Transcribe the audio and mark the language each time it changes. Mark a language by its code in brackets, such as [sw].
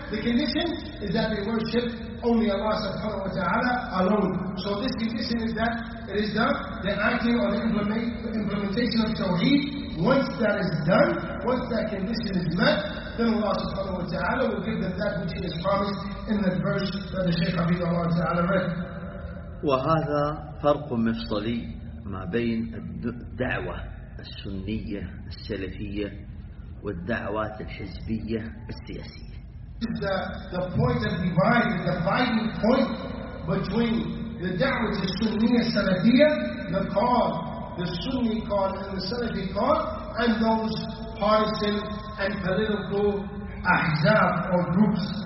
[en] The condition is that they worship only Allah subhanahu wa ta'ala alone. So this condition is that it is done, the acting or the implementation of tawheed. Once that is done, once that condition is met, then Allah subhanahu wa ta'ala will give them that which he has promised in the verse that the Shaykh Habibullah ta'ala read. [ar] وهذا فرق مفصلي ما بين الدعوة السنية السلفية والدعوات الحزبية السياسية. [en] The point of divide, the dividing point between the [ar] دعوة السنية السلفية, [en] the call, the Sunni call and the Salafi call, and those partisan and political أحزاب or groups.